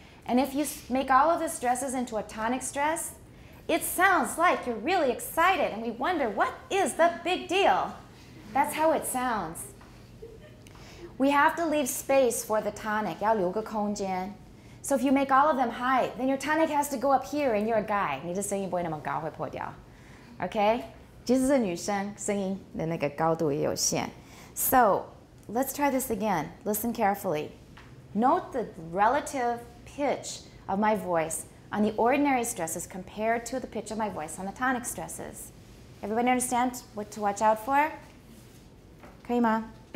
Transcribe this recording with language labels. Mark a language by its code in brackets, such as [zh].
[en] And if you make all of the stresses into a tonic stress, it sounds like you're really excited and we wonder, what is the big deal? That's how it sounds. We have to leave space for the tonic. [zh] 要留个空间. [en] So if you make all of them high, then your tonic has to go up here and you're a guy. [zh] 你的声音不会那么高会破掉。 [en] Okay? [zh] 即使是女生声音的那个高度也有限。 [en] So let's try this again. Listen carefully. Note the relative pitch of my voice on the ordinary stresses compared to the pitch of my voice on the tonic stresses. Everybody understand what to watch out for? [zh] 可以吗?